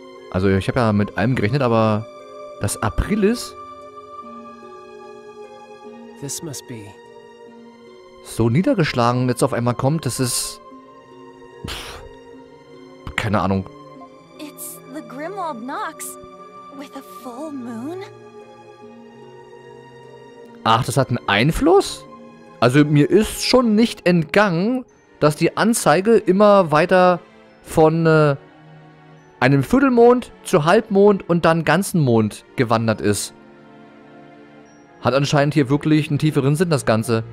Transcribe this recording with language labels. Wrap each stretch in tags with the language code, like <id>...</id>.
<de>Also, ich habe ja mit allem gerechnet, aber das Aprilis.</de> <en>This must be.</en> <de>So niedergeschlagen jetzt auf einmal kommt, das ist. Keine Ahnung.</de> <en>It's the Grimwald Nox with a full moon?</en> <de>Ach, das hat einen Einfluss? Also mir ist schon nicht entgangen, dass die Anzeige immer weiter von einem Viertelmond zu Halbmond und dann ganzen Mond gewandert ist. Hat anscheinend hier wirklich einen tieferen Sinn, das Ganze.</de>